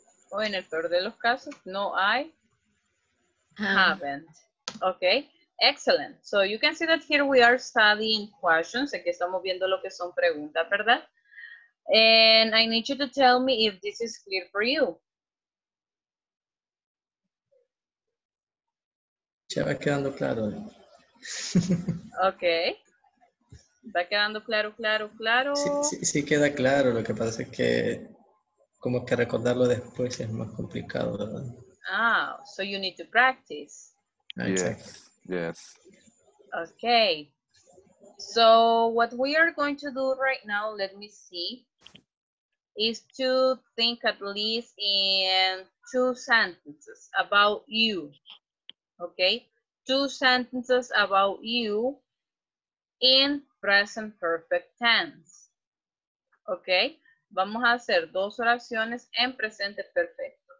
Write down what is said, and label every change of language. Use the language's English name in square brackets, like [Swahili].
[Spanish] O en el peor de los casos, no, [English] I haven't. Okay, excellent. So you can see that here we are studying questions. [Spanish] Aquí estamos viendo lo que son preguntas, ¿verdad? [English] And I need you to tell me if this is clear for you. [Spanish] Se va quedando claro. Okay. Va quedando claro, claro, claro. Sí, queda claro. Lo que pasa es que como que recordarlo después es más complicado, ¿verdad? [English] Ah, so you need to practice. Yes. Okay. So what we are going to do right now, let me see, is to think at least in two sentences about you. Okay? Two sentences about you in present perfect tense. Okay? [Spanish] Vamos a hacer dos oraciones en presente perfecto.